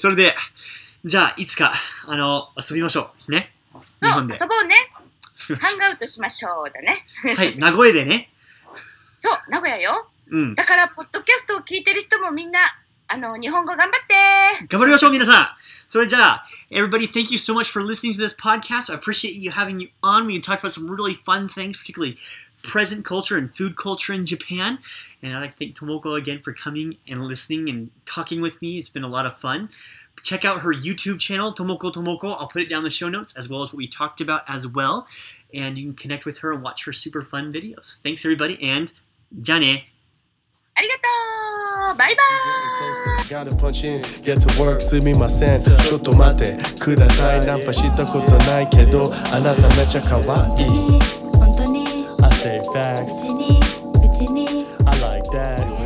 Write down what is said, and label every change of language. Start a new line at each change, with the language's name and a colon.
Japanese: それで、じゃあ、いつか、遊びましょう。ね。日本で。遊ぼうね。ハンガウトしましょうだね。はい、名古屋でね。そう、名古屋よ。うん。だから、ポッドキャストを聞いてる人もみんな、日本語頑張って。頑張りましょう、皆さん。それじゃあ、
English: everybody, thank you so much for listening to this podcast. I appreciate you having you on. We talked about some really fun things, particularly present culture and food culture in Japan. And I'd like to thank Tomoko again for coming and listening and talking with me. It's been a lot of fun. Check out her YouTube channel, Tomoko Tomoko. I'll put it down in the show notes as well as what we talked about as well. And you can connect with her and watch her super fun videos. Thanks, everybody, and
Japanese: じゃあね。
English: Arigato! Bye bye! Gotta punch in, get to work,
Japanese: すみませんちょっと待ってくださいナンパしたことないけどあなためちゃ可愛い本当に本当に
English: I say facts
Japanese: うちに
English: I like that